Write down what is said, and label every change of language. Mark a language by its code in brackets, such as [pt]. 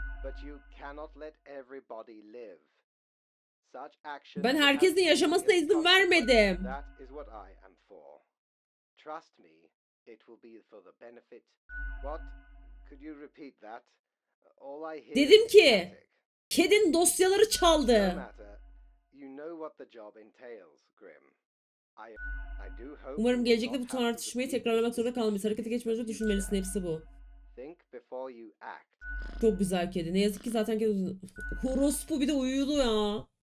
[en] But you cannot let everybody live. Such action. [tr] Ben herkesin yaşamasına izin vermedim. [en] That is what I am for. Trust me, it will be for the benefit. What? Could you repeat that? All I hear. [tr] Dedim ki, kedin dosyaları çaldı. [en] You know what the job entails, Grim. I do hope. [tr] Umarım gelecekte bu tartışmayı tekrarlamak zorunda kalmayız. Harekete geçmeden önce düşünmelisin hepsi bu. [en] Think before you act. [tr] Çok güzel kedi. Ne yazık ki zaten kedi horospu bir de uyudu ya.